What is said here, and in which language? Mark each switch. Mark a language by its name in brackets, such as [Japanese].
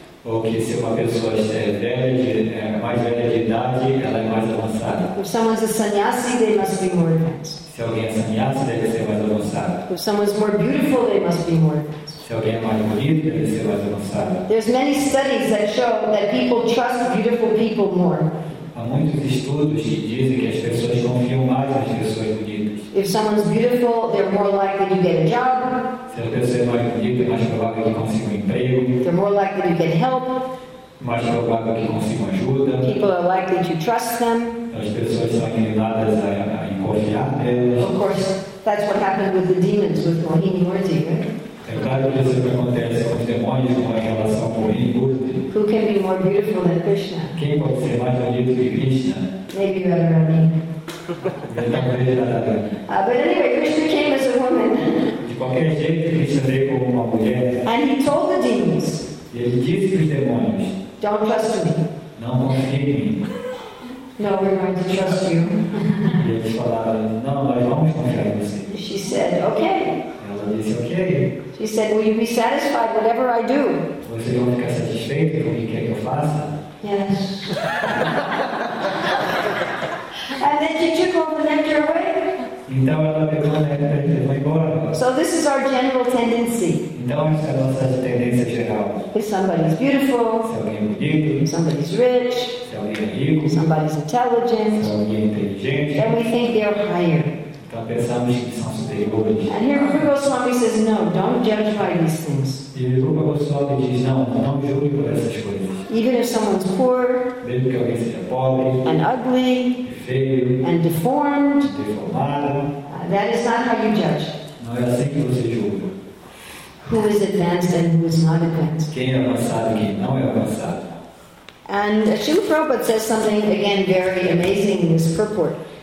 [Portuguese] Ou que se uma pessoa é mais velha de idade, ela é mais avançada. [English] If someone is a sannyasi, they must be more advanced. [Portuguese] Se alguém é sannyasi, deve ser mais avançado. [English] If someone is more beautiful, they must be more advanced. There's many studies that show that people trust beautiful people more. [Portuguese] Há muitos estudos que dizem que as pessoas confiam mais nas pessoas bonitas. [English] If someone's beautiful, they're more likely to get a job. [Portuguese] Se a pessoa é mais bonita, é mais provável que consiga emprego. [English] They're more likely to get help. [Portuguese] Mais provável que consiga ajuda. [English] People are likely to trust them. [Portuguese] As pessoas são inclinadas a confiar nelas. [English] Of course, that's what happened with the demons with Mohini Murthy, right? [Portuguese] É claro que isso acontece com os demônios com relação ao Hindu. [English] Who can be more beautiful than Krishna? [Portuguese] Quem pode ser mais bonito que Krishna? [English] Maybe Radharani. But anyway, Krishna came as a woman. [Portuguese] De qualquer jeito, Krishna veio como uma mulher. [English] And he told the demons. [Portuguese] Ele disse para os demônios. [English] Don't trust me. [Portuguese] Não confie em mim. [English] No, we're going to trust you. [Portuguese] E eles falaram, não, nós vamos confiar em você. [English] She said, okay. Okay. She said, will you be satisfied whatever I do? [Portuguese] Você vai ficar satisfeito com o que quer que eu faça? [English] Yes. And then she took all the nectar away. [Portuguese] Então ela pegou o nectar e foi embora. [English] So this is our general tendency. [Portuguese] Então essa é a nossa tendência geral. [English] If somebody's beautiful, [Portuguese] se alguém é bonito, [English] if somebody's rich, [Portuguese] se alguém é rico, [English] if somebody's intelligent, [Portuguese] se alguém é inteligente, [English] then we think they're higher. [Portuguese] Então pensamos que são superiores. [English] And here Rupa Goswami says, no, don't judge by these things. [Portuguese] E Rupa Goswami diz, não, não julgue por essas coisas. [English] Even if someone's poor, [Portuguese] mesmo que alguém seja pobre, [English] and ugly, [Portuguese] feio, [English] and deformed, [Portuguese] deformado, [English] that is not how you judge. [Portuguese] Não é assim que você julga. [English] Who is advanced and who is not advanced? [Portuguese] Quem é avançado e quem não é avançado. [English] And Srila Prabhupada says something, again, very amazing in this purport.